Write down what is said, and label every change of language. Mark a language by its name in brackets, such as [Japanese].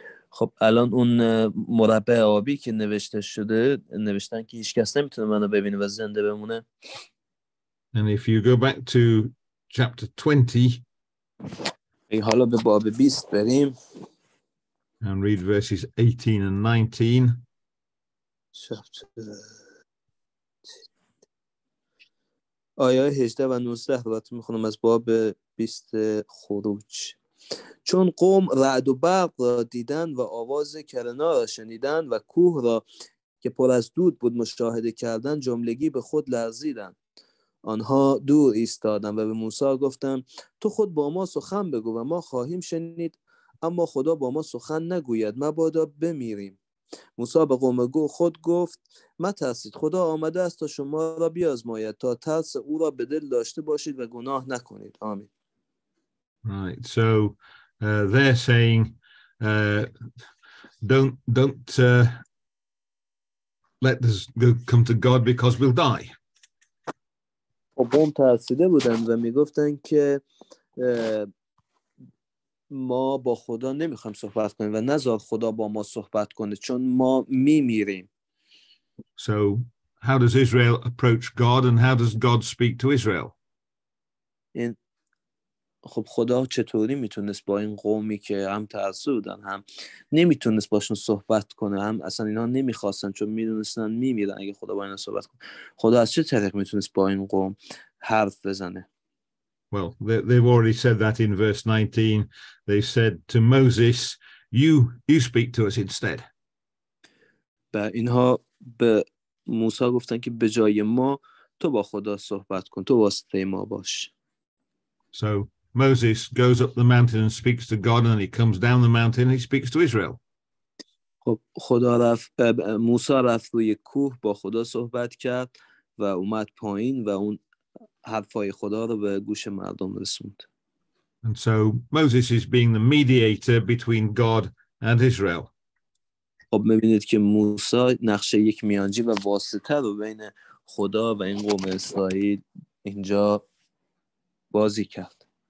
[Persian] خب الان اون مربع آبی که نوشته شده، نوشتن که هیچ کس نمیتونه منو ببینه و زنده بمونه. [English] And if you go back to chapter 20, [Persian] حالا به باب 20 بریم. [English] And read verses 18 and 19. [Persian] آیه 18 و 19 رو می‌خونم از باب 20 خروج. چون قوم رعد و برق را دیدن و آواز کرنا را شنیدن و کوه را که پر از دود بود مشاهده کردن، جملگی به خود لرزیدن. آنها دور ایستادن و به موسی گفتن تو خود با ما سخن بگو و ما خواهیم شنید، اما خدا با ما سخن نگوید، مبادا بمیریم. موسی به قوم خود گفت ما ترسید، خدا آمده است تا شما را بیازماید، تا ترس او را به دل داشته باشید و گناه نکنید. آمین. [English] Right, so they're saying, don't let this come to God because we'll die. [Persian] قوم ترسیده بودند و میگفتند که ما با خدا نمیخوایم صحبت کنیم و نذار خدا با ما صحبت کنه چون ما میمیریم. [English] So, how does Israel approach God and how does God speak to Israel? [Persian] خب خدا چطوری میتونست با این قومی که هم ترسو بودن هم نمیتونست باشون صحبت کنه، هم اصلا اینا نمیخواستن چون میدونستن میمیرن اگه خدا با اینا صحبت کنه، خدا از چه طریق میتونست با این قوم حرف بزنه؟ [English] Well, they've already said that in verse 19. They said to Moses, you speak to us instead. [Persian] و اینها به موسی گفتن که به جای ما تو با خدا صحبت کن، تو واسطه ما باش. [English] So Moses goes up the mountain and speaks to God, and he comes down the mountain and he speaks to Israel. [Persian] خدا رفت، موسی رفت روی کوه با خدا صحبت کرد و اومد پایین و اون حرفای خدا رو به گوش مردم رسوند. [English] And so Moses is being the mediator between God and Israel. [Persian] خب می‌بینید که موسی نقش یک میانجی و واسطه رو بین خدا و این قوم اسرائیل اینجا بازی کرد.